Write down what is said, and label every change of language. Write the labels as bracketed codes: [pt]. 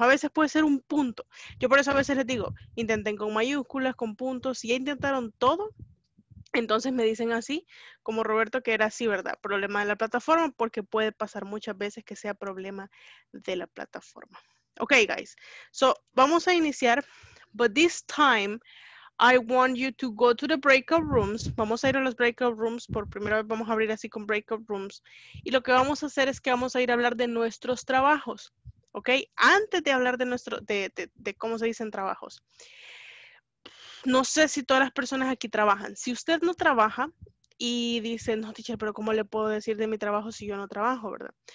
[es] A veces puede ser un punto. Yo por eso a veces les digo, intenten con mayúsculas, con puntos. Si ya intentaron todo, entonces me dicen así, como Roberto, que era así, ¿verdad? Problema de la plataforma, porque puede pasar muchas veces que sea problema de la plataforma. [en] Ok, guys. So, [es] vamos a iniciar. [en] But this time, I want you to go to the breakout rooms. [es] Vamos a ir a los breakout rooms. Por primera vez vamos a abrir así con breakout rooms. Y lo que vamos a hacer es que vamos a ir a hablar de nuestros trabajos. ¿Ok? Antes de hablar de cómo se dicen trabajos. No sé si todas las personas aquí trabajan. Si usted no trabaja y dice, no, teacher, pero ¿cómo le puedo decir de mi trabajo si yo no trabajo, verdad?